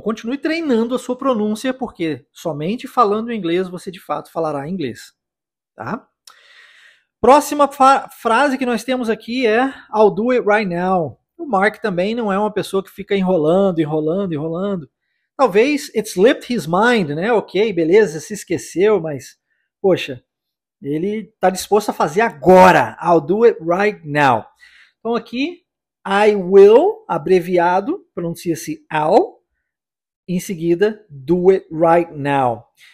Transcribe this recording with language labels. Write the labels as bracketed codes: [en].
[pt] Continue treinando a sua pronúncia, porque somente falando inglês você, de fato, falará inglês. Tá? Próxima frase que nós temos aqui é [en] I'll do it right now. [pt] O Mark também não é uma pessoa que fica enrolando, enrolando, enrolando. Talvez [en] it slipped his mind, [pt] né? Ok, beleza, se esqueceu, mas, poxa, ele está disposto a fazer agora. [en] I'll do it right now. [pt] Então, aqui... [en] I will, [pt] abreviado, pronuncia-se [en] I'll, [pt] em seguida, [en] do it right now.